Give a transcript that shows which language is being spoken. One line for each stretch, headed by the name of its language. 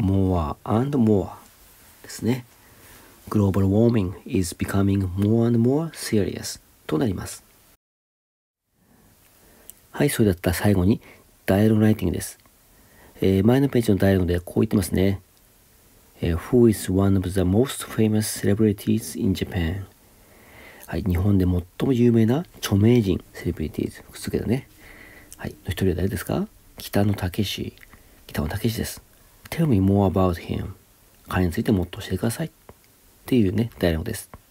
English: More and more
Japanese: ですね。
English: Global warming is becoming more and more serious
Japanese: となります。はい、それだったら最後にダイアログライティングです。前のページのダイアログでこう言ってますね。
English: Who is one of the most famous celebrities in Japan?
Japanese: はい、日本で最も有名な著名人、セレブリティーズ、くっつけたね。はい、の一人は誰ですか？北野武です。
English: Tell me more about him。
Japanese: 彼についてもっと教えてください。っていうね、ダイアログです。